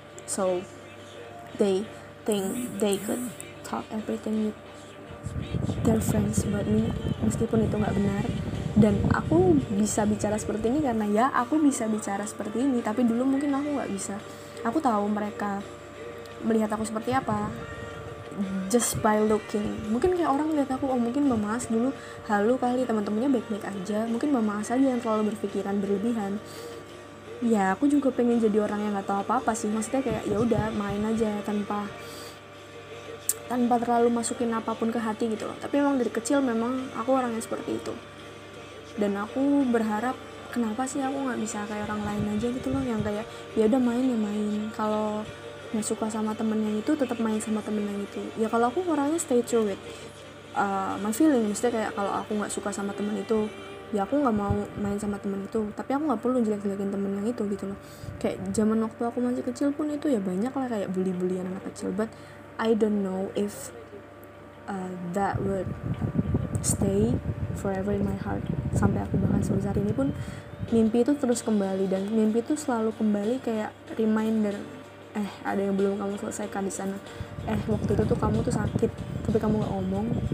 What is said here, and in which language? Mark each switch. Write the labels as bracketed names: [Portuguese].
[English] So they think they could talk everything with their friends about me, [Indonesian] meskipun itu gak benar. Dan aku bisa bicara seperti ini karena ya aku bisa bicara seperti ini, tapi dulu mungkin aku gak bisa. Aku tahu mereka melihat aku seperti apa [English] just by looking. [Indonesian] Mungkin kayak orang lihat aku, oh mungkin Mama As dulu halu kali, teman-temannya baik-baik aja. Mungkin Mama As aja yang terlalu berpikiran berlebihan. Ya aku juga pengen jadi orang yang gak tahu apa-apa sih. Maksudnya kayak ya udah main aja tanpa terlalu masukin apapun ke hati gitu loh. Tapi memang dari kecil memang aku orangnya seperti itu. Dan aku berharap kenapa sih aku gak bisa kayak orang lain aja gitu loh. Yang kayak ya udah main ya main. Kalau gak suka sama temen yang itu, tetap main sama temen yang itu. Ya kalau aku orangnya [English] stay true with my feeling. [Indonesian] Maksudnya kayak kalau aku gak suka sama temen itu, ya aku gak mau main sama temen itu. Tapi aku gak perlu jelek-jelekin temen yang itu gitu loh. Kayak zaman waktu aku masih kecil pun itu ya banyak lah kayak bully-bullyan anak kecil. [English] But I don't know if that would stay forever in my heart. [Indonesian] Sampai aku bahkan sebesar ini pun mimpi itu terus kembali. Dan mimpi itu selalu kembali kayak reminder, ada yang belum kamu selesaikan di sana. Waktu itu tuh kamu tuh sakit, tapi kamu gak ngomong.